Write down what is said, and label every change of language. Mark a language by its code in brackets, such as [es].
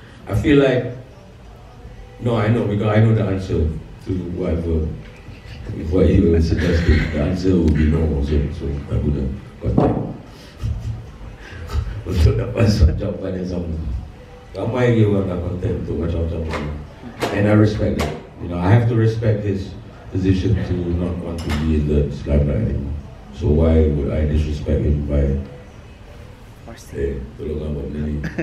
[en] I feel like, no, I know, because I know the answer to whatever. If what you were suggesting, the answer would be no also, so I wouldn't contact. [ms] Untuk dapat jawapan yang sama. Ramai lagi orang nak contact untuk macam-macam orang. [en] And I respect that. You know, I have to respect his position to not want to be in the limelight anymore. So why would I disrespect him by, [ms] tolonglah buat benda ni.